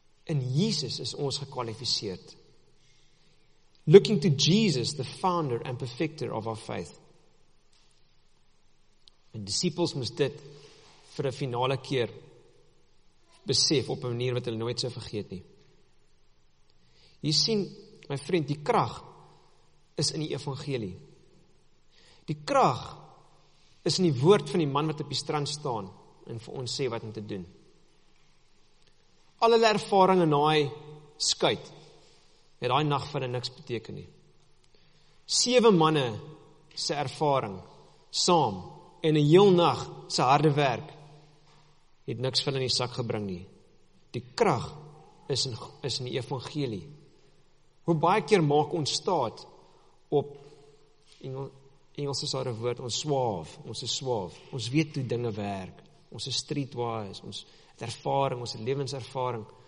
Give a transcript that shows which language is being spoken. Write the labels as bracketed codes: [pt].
[af] In Jesus is ons gekwalificeerd. [en] Looking to Jesus, the founder and perfecter of our faith. [af] En disciples moes dit vir 'n finale keer besef op 'n manier wat hulle nooit sou vergeet nie. Jy sien, my vriend, die krag is in die evangelie. Die krag is in die woord van die man wat op die strand staan en vir ons sê wat om te doen. Al hulle ervaring in daai skuit het daai nag vir niks beteken nie. Sewe manne se ervaring saam en 'n heel nag se harde werk het niks vir in die sak gebring nie. Die krag is in die evangelie. Hoe baie keer maak ons staat op Engels is daar 'n woord, ons swaaf, ons is swaaf. Ons weet hoe dinge werk. Ons is streetwise, ons het ervaring, ons het lewenservaring.